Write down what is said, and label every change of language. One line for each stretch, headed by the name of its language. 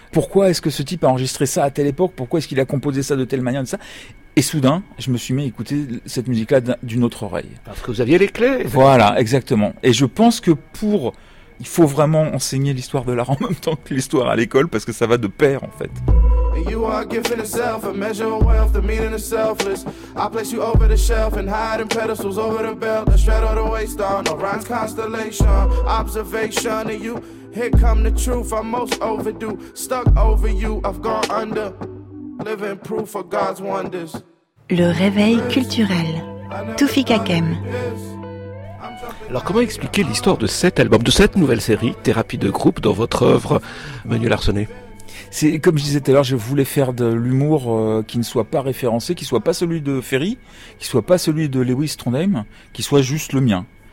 French: Pourquoi est-ce que ce type a enregistré ça à telle époque? Pourquoi est-ce qu'il a composé ça de telle manière, de ça? Et soudain, je me suis mis à écouter cette musique-là d'une autre oreille. Parce que vous aviez les clés. Voilà, exactement. Et je pense que il faut vraiment enseigner l'histoire de l'art en même temps que l'histoire à l'école, parce que ça va de pair, en fait.
English: And you are a gift in itself, a measure of wealth, the meaning is selfless. I place you over the shelf and hide in pedestals over the belt. I shred all the waste on Orion's constellation, observation of you. Here come the truth, I'm most overdue. Stuck over you, I've gone under. Living proof of God's wonders.
French: Le réveil culturel. Tufik Hakem. Alors comment expliquer l'histoire de cet album, de cette nouvelle série, Thérapie de groupe, dans votre œuvre, Manu Larsonnet ? C'est comme je disais tout à l'heure, je voulais faire de l'humour qui ne soit pas référencé, qui soit pas celui de Ferry, qui soit pas celui de Lewis Trondheim, qui soit juste le mien.